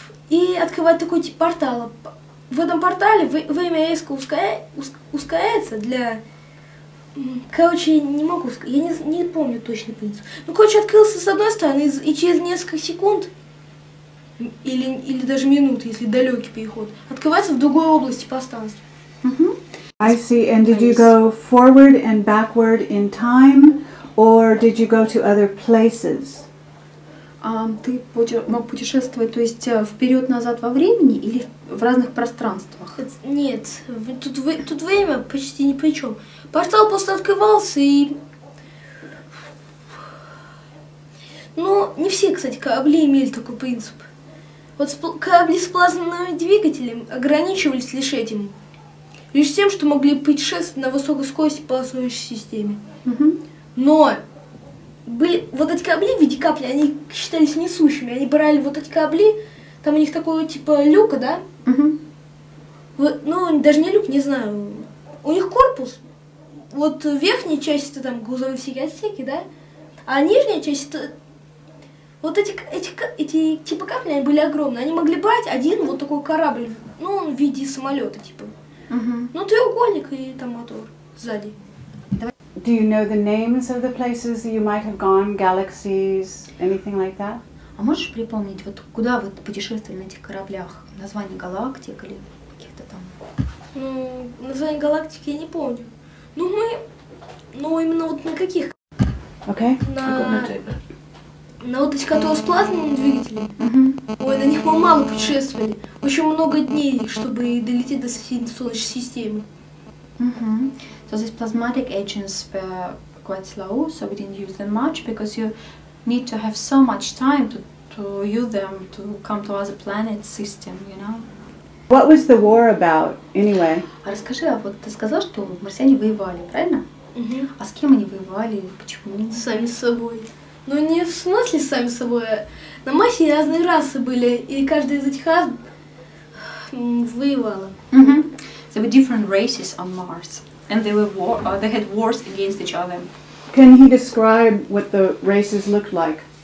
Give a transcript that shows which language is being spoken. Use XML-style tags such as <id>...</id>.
<ru>И открывает такой тип портала. В этом портале время резко ускоряется для... Короче, я не могу сказать, я не помню точно принцип. Ну, короче, открылся с одной стороны, и через несколько секунд, или даже минут, если далекий переход, открывается в другой области пространства.</ru> <en>Mm-hmm. I see. And did you go forward and backward in time, or did you go to other places?</en> <ru>Ты мог путешествовать, то есть вперед-назад во времени или в разных пространствах? Нет, тут время почти ни при чем. Портал просто открывался и... Ну, не все, кстати, корабли имели такой принцип. Вот корабли с плазменными двигателями ограничивались лишь этим. Лишь тем, что могли путешествовать на высокой скорости по плазменной системе.</ru> <en>Mm-hmm.</en> <ru>Но... Были вот эти корабли в виде капли, они считались несущими. Они брали вот эти корабли, там у них такой типа люка, да?</ru> <en>Uh-huh.</en> <ru>Ну, даже не люк, не знаю. У них корпус. Вот верхняя часть это там грузовые всякие отсеки, да? А нижняя часть это... Вот эти типа капли, они были огромные. Они могли брать один вот такой корабль, ну, в виде самолета типа.</ru> <en>Uh-huh.</en> <ru>Ну, треугольник и там мотор сзади.</ru> <en>Do you know the names of the places that you might have gone, galaxies, anything like that?</en> <ru>А можешь припомнить, вот куда вы путешествовали на этих кораблях? Название галактик или каких-то там? Ну, название галактики я не помню. Ну, мы... Ну, именно вот на каких?</ru> <en>Okay.</en> <ru>На вот эти, которые с плазменным двигателем. Ой, на них мы мало путешествовали. Очень много дней, чтобы долететь до соседней Солнечной системы.</ru> <en>Mm-hmm. So these plasmatic engines were quite slow, so we didn't use them much because you need to have so much time to use them to come to other planet system, you know. What was the war about anyway?</en> <ru>А расскажи, а вот ты сказал, что марсиане воевали, правильно?</ru> <en>Mm-hmm.</en> <ru>А с кем они воевали? Почему? Сами с собой. Ну не в смысле сами с собой, а на Марсе разные расы были, и каждая из этих рас воевала.</ru> <en>Mm-hmm. There were different races on Mars, and they had wars against each other. Can he describe what the races looked like?</en>